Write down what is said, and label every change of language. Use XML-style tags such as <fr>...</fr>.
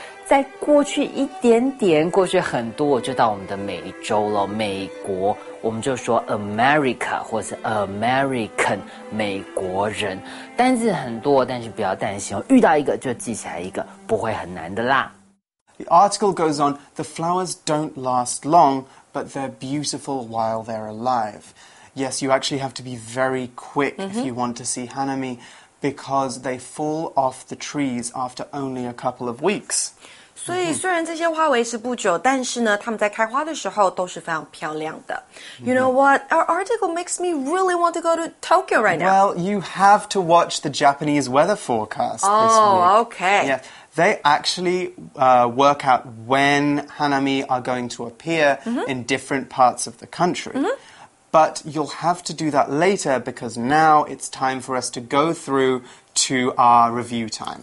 <zh>在过去一点点，过去很多，就到我们的美洲了，美国，我们就说 America 或是 American， 美国人。单字很多，但是不要担心，遇到一个就记起来一个，不会很难的啦。</zh> <en>The article goes on, the flowers don't last long, but they're beautiful while they're aliveYes, you actually have to be very quick、mm-hmm. if you want to see Hanami because they fall off the trees after only a couple of weeks.</en> <zh>所以虽然这些花维持不久，但是呢它们在开花的时候都是非常漂亮的。</zh> <en>You know what? Our article makes me really want to go to Tokyo right now. Well, you have to watch the Japanese weather forecast this week. Oh, okay. Yeah, they actually、work out when Hanami are going to appear、mm-hmm. in different parts of the country.、Mm-hmm. But you'll have to do that later because now it's time for us to go through to our review time.</en>